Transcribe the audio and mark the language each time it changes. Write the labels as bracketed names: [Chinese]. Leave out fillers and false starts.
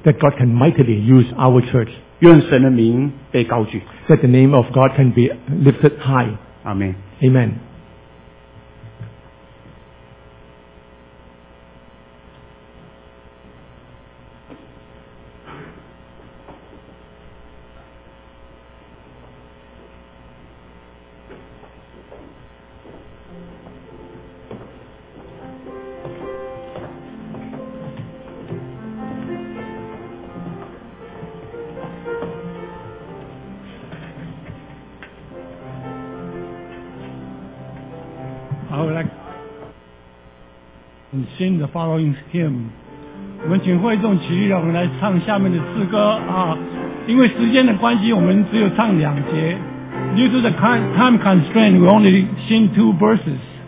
[English] That God can mightily use our church. [Chinese] 愿神的名被高举。 [English] That the name of God can be lifted high. Amen. Amen. I would like to sing the following hymn. [Chinese] 我们请会众起立，让我们来唱下面的诗歌啊。因为时间的关系，我们只有唱两节。 [English] Due to the time constraint, we only sing two verses.